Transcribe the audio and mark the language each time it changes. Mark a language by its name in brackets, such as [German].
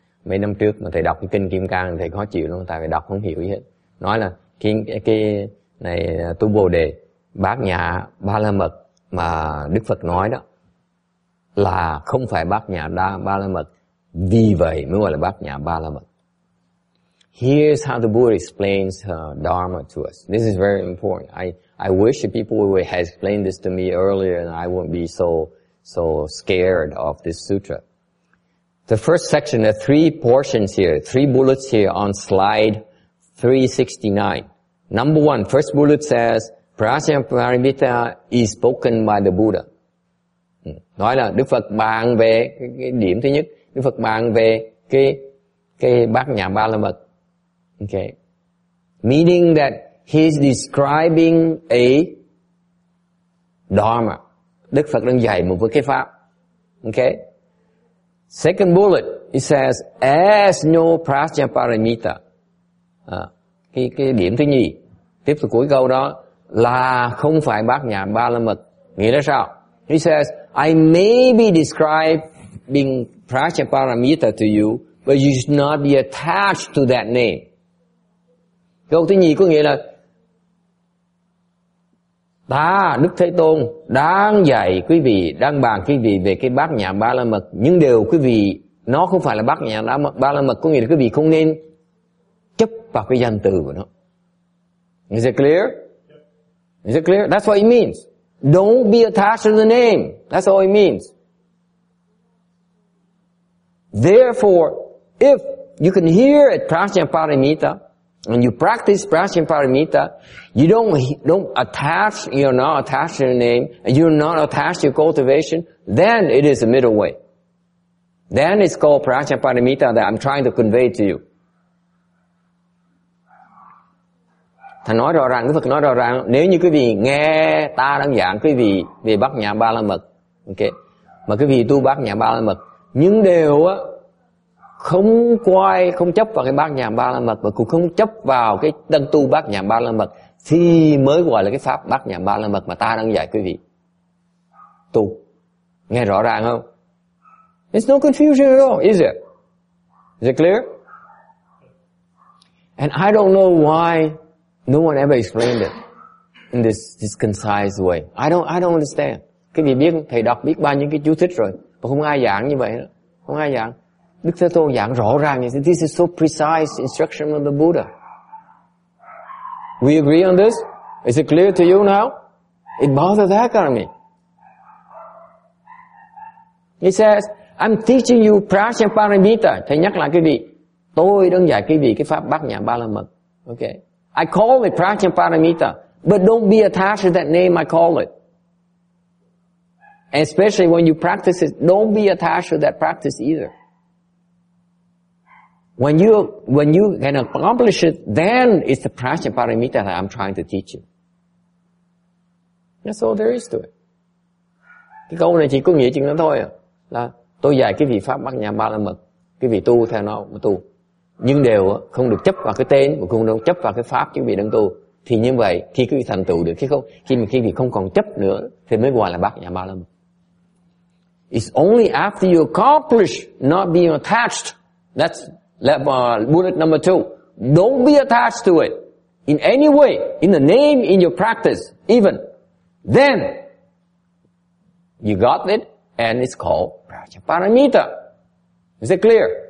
[Vietnamese] Mấy năm trước mà thầy đọc cái kinh Kim Cang thầy khó chịu luôn, tại vì đọc không hiểu gì hết. Nói là cái này tu Bồ Đề, Bát Nhã Ba La Mật mà Đức Phật nói đó là không phải Bát Nhã Ba La Mật, vì vậy mới gọi là Bát Nhã Ba La Mật. [English] Here's how the Buddha explains Dharma to us. This is very important. I wish people would have explained this to me earlier and I wouldn't be so scared of this sutra. The first section, there are three portions here, three bullets here on slide 369. Number one, first bullet says, Prasyaparamita is spoken by the Buddha. [Vietnamese] Nói là Đức Phật bàn về cái điểm thứ nhất, Đức Phật bàn về cái Bát Nhã Ba La Mật. Okay. [English] Meaning that he's describing a dharma. [Vietnamese] Đức Phật đang dạy một cái pháp. Okay. [English] Second bullet, it says, as no Prasyaparamita. [Vietnamese] Cái điểm thứ nhì, tiếp tục cuối câu đó, là không phải Bát Nhã Ba La Mật. Nghĩa là sao? [English] He says, I may be describing Prasyaparamita to you, but you should not be attached to that name. [Vietnamese] Câu thứ nhì có nghĩa là, ta, Đức Thế Tôn, đang dạy quý vị, đang bàn quý vị về cái Bát Nhã Ba La Mật, nhưng điều quý vị, nó không phải là Bát Nhã Ba La Mật, có nghĩa là quý vị không nên chấp vào cái danh từ của nó. [English] Is it clear? Is it clear? That's what it means. Don't be attached to the name. That's all it means. Therefore, if you can hear it, Prasyaparamita, when you practice Prasyaparamita, you don't attach, you're not attached to your name, and you're not attached to your cultivation, then it is a middle way. Then it's called Prasyaparamita that I'm trying to convey to you. [Vietnamese] Thầy nói rõ ràng, Đức Phật nói rõ ràng, nếu như quý vị nghe ta đang giảng quý vị về Bát Nhã Ba La Mật, okay, mà quý vị tu Bát Nhã Ba La Mật, những điều á, không quay, không chấp vào cái Bát Nhã Ba La Mật và cũng không chấp vào cái đấng tu Bát Nhã Ba La Mật thì mới gọi là cái pháp Bát Nhã Ba La Mật mà ta đang dạy quý vị tu. Nghe rõ ràng không? [English] It's no confusion at all, is it? Is it clear? And I don't know why no one ever explained it in this concise way. I don't understand. [Vietnamese] Quý vị biết, thầy đọc biết bao nhiêu cái chú thích rồi mà không ai giảng như vậy đó. Không ai giảng. Đức Thế Tôn giảng rõ ràng, [English] this is so precise instruction of the Buddha. We agree on this? Is it clear to you now? It bothers the heck out of me. He says, I'm teaching you Prasyaparamita. [Vietnamese] Thầy nhắc lại quý vị, tôi đang dạy quý vị cái pháp Bát Nhã Ba La Mật. [English] Okay. I call it Prasyaparamita, but don't be attached to that name I call it. And especially when you practice it, don't be attached to that practice either. When you can accomplish it, then it's the Prasyaparamita that I'm trying to teach you. That's all there is to it. [Vietnamese] Cái câu này chỉ có nghĩa chừng đó thôi à, là tôi dạy cái vị pháp Bát Nhã Ba La Mật, cái vị tu theo nó mà tu. Nhưng đều không được chấp vào cái tên và không được chấp vào cái pháp chứ vị đang tu. Thì như vậy khi cái vị thành tựu được, khi không còn chấp nữa thì mới gọi là Bát Nhã Ba La Mật. [English] It's only after you accomplish not being attached, that's bullet number two. Don't be attached to it in any way, in the name, in your practice, even. Then you got it, and it's called Prasyaparamita. Is it clear?